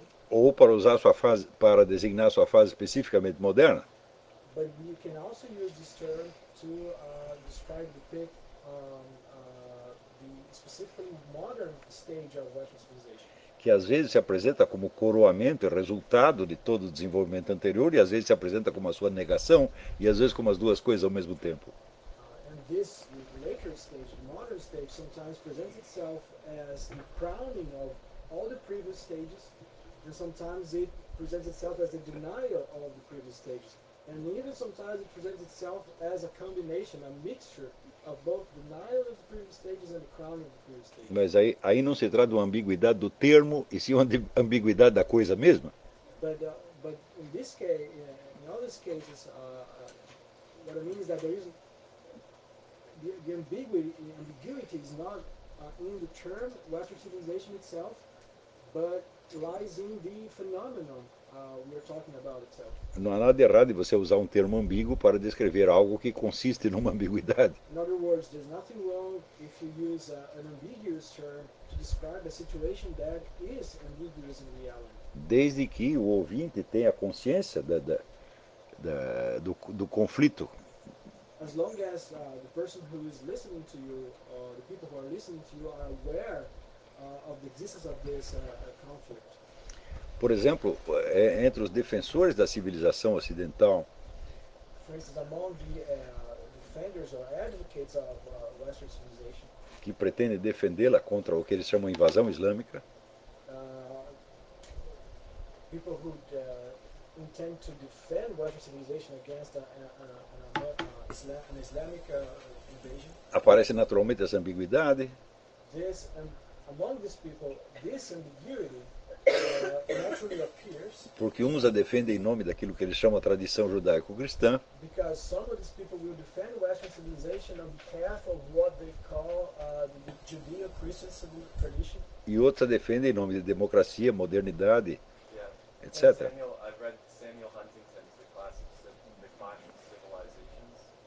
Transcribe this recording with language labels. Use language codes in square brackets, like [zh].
[pt] ou para usar sua fase, para designar sua fase especificamente moderna. [en] But you can also use this term to describe the pick the specifically modern stage of Western civilization. [pt] Que às vezes se apresenta como coroamento e resultado de todo o desenvolvimento anterior, e às vezes se apresenta como a sua negação, e às vezes como as duas coisas ao mesmo tempo. [en] And this later stage, modern stage, sometimes presents itself as the crowning of all the previous stages, and sometimes it presents itself as a denial of the previous stages, and even sometimes it presents itself as a combination, a mixture of both denial of the previous stages and the crowning of the previous stages. [pt] Mas aí não se trata de uma ambiguidade do termo, e sim uma ambiguidade da coisa mesma. [en] But in this case, in all these cases, what I mean is that there is the ambiguity is not in the term Western civilization itself, but lies in the phenomenon we are talking about itself. [pt] Não há nada de errado em você usar um termo ambíguo para descrever algo que consiste numa ambiguidade. [en] In other words, there's nothing wrong if you use an ambiguous term to describe a situation that is ambiguous in reality. [pt] Desde que o ouvinte tenha consciência do conflito. [en] As long as the person who is listening to you, or the people who are listening to you, are aware of the existence of this conflict. [pt] Por exemplo, entre os defensores da civilização ocidental, [en] for instance, among the defenders or advocates of Western civilization, [pt] que pretende defendê-la contra o que eles chamam de invasão islâmica, [en] people who intend to defend Western civilization against an Islamic invasion, [pt] aparece naturalmente essa ambiguidade. [en] Among these people, this ambiguity naturally appears. [pt] Porque uns a defendem em nome daquilo que eles chamam de tradição judaico-cristã. [en] Because some of these people will defend Western civilization on behalf of what they call the Judeo-Christian tradition. [pt] E outros a defendem em nome de democracia, modernidade, yeah, etc. [en] Samuel, I've read Samuel Huntington's The Classics of the Clash of Civilizations.